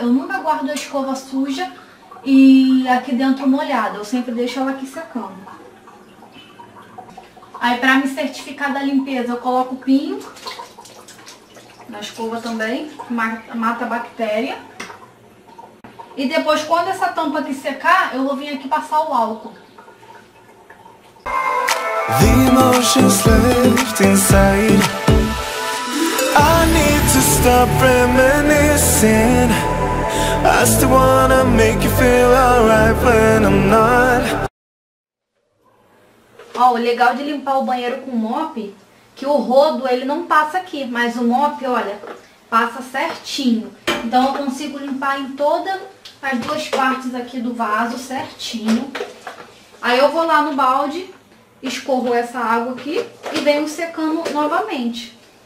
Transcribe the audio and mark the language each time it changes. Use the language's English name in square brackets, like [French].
[Portuguese] Eu nunca guardo a escova suja e aqui dentro molhada. Eu sempre deixo ela aqui secando. Aí pra me certificar da limpeza, eu coloco o pinho na escova também, mata a bactéria. E depois, quando essa tampa aqui secar, eu vou vir aqui passar o álcool. [English] The emotions left inside, I need to stop reminiscing. I still wanna make you feel alright when I'm not. [Portuguese] Ó, o legal de limpar o banheiro com mop, que o rodo, ele não passa aqui, mas o mop, olha, passa certinho. Então eu consigo limpar em todas as duas partes aqui do vaso certinho. Aí eu vou lá no balde, escorro essa água aqui e venho secando novamente.